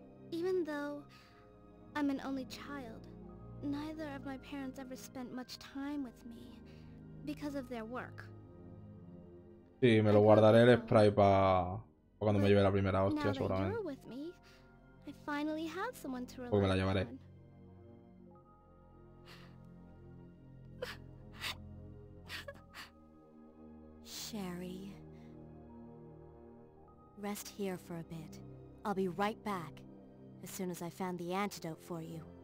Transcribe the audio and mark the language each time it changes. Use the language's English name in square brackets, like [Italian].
[English] Even though I'm an only child, neither of my parents ever spent much time with me because of their work. [Spanish] Sí, me lo guardaré el spray para cuando me lleve la primera hostia, seguramente. [English] Now with me, I finally have someone to rely [Spanish] on. Me la llevaré. [English] Sherry, rest here for a bit. I'll be right back as soon as I found the antidote for you.